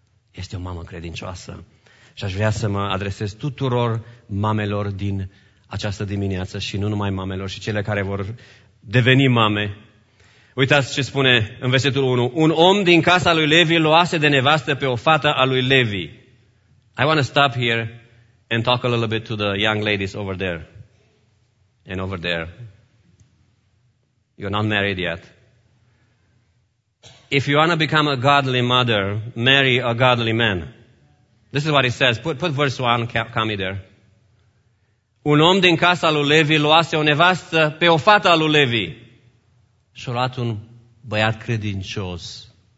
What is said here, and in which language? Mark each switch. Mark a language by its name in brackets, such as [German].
[Romanian] Este o mamă credincioasă. Și aș vrea să mă adresez tuturor mamelor din această dimineață și nu numai mamelor, și cele care vor deveni mame. Uitați ce spune în versetul 1. Un om din casa lui Levi luase de nevastă pe o fată a lui Levi. [English] I want to stop here and talk a little bit to the young ladies over there. And over there. You're not married yet. If you want to become a godly mother, marry a godly man. This is what he says. Put verse 1, call me there. [Romanian] Un om din casa lui Levi luase o nevastă pe o fată a lui Levi. Și-a luat un băiat credincios.